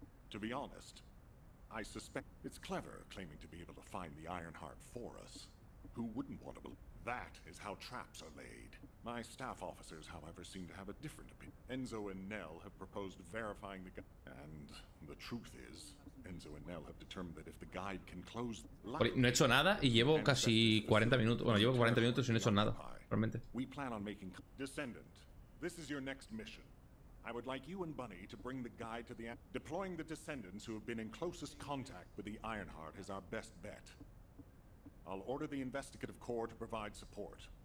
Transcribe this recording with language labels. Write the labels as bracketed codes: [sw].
[en] To be honest, I suspect it's clever claiming to be able to find the Iron Heart for us. Who wouldn't want to believe? That is how traps are laid. My staff officers, however, seem to have a different opinion. Enzo and Nell have proposed verifying the guide. And the truth is, Enzo and Nell have determined that if the guide can close... [es] No he hecho nada y llevo casi 40 minutos. Bueno, llevo 40 minutos y no he hecho nada, realmente. [en] We plan on making... Descendant, this is your next mission. I would like you and Bunny to bring the guide to the deploying the descendants who have been in closest contact with the Ironheart is our best bet. I'll order the investigative corps to provide support.